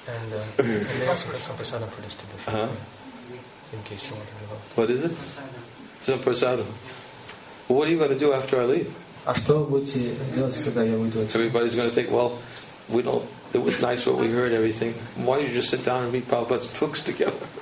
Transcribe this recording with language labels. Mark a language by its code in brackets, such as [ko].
[en] And they also have some prasadam for distribution. Uh-huh. In case you want to go. What is it? Some prasadam. Well, what are you going to do after I leave? [ru] А что будете делать, когда я уйду? [en] Everybody's going to think, well, we don't. It was nice what we heard, everything. Why don't you just sit down and read Prabhupada's books together?